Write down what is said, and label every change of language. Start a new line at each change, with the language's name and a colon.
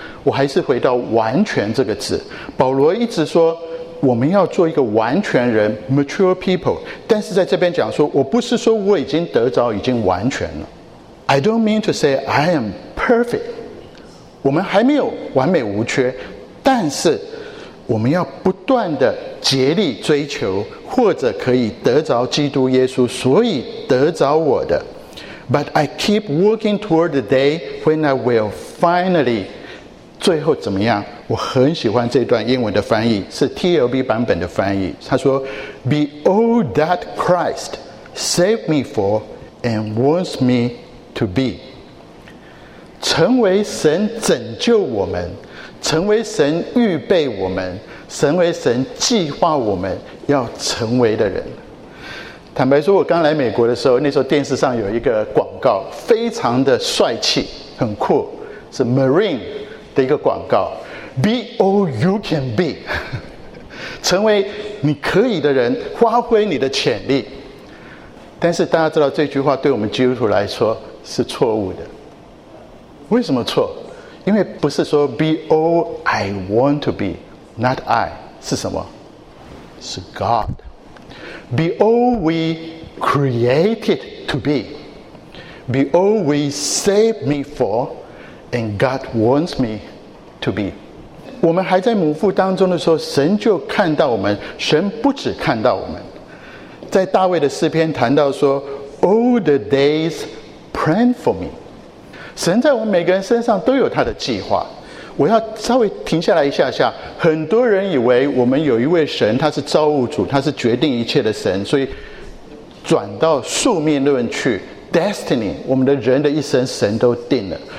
Chinese: 我还是回到完全这个字，保罗一直说我们要做一个完全人，
English: mature people，
Chinese: 但是在这边讲说，我不是说我已经得着已经完全了，
English: I don't mean to say I am perfect，
Chinese: 我们还没有完美无缺，但是我们要不断的竭力追求，或者可以得着基督耶稣，所以得着我的。
English: But I keep working toward the day when I will finally，
Chinese: 最后怎么样？我很喜欢这段英文的翻译，是 TLB 版本的翻译，他说
English: Be all that Christ saved me for and wants me to be，
Chinese: 成为神拯救我们，成为神预备我们，成为神计划我们要成为的人。坦白说，我刚来美国的时候，那时候电视上有一个广告，非常的帅气，很酷，是 Marine 的一个广告，
English: Be all you can be，
Chinese: 成为你可以的人，发挥你的潜力。但是大家知道，这句话对我们基督徒来说是错误的。为什么错？因为不是说
English: be all I want to be， not I，
Chinese: 是什么？ 是
English: God。 Be all we created to be， Be all we saved me for and God wants me to be。
Chinese: 我们还在母腹当中的时候，神就看到我们，神不只看到我们。在大卫的诗篇谈到说，
English: All the days planned for me，
Chinese: 神在我们每个人身上都有他的计划。我要稍微停下来一下下，很多人以为我们有一位神，他是造物主，他是决定一切的神，所以转到宿命论去， destiny， 我们的人的一生神都定了。